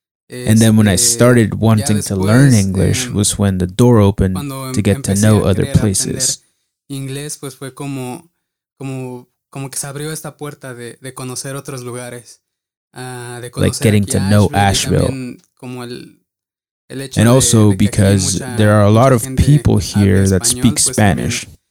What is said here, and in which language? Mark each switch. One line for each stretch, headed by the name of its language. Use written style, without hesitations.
English: And then when I started wanting to learn English was when the door opened to get to know other places.
Spanish: Inglés, pues fue como que se abrió esta puerta de conocer otros lugares, de conocer
English: like getting to know Asheville.
Spanish: Como el hecho
English: and also because there are a lot of people here that speak Spanish.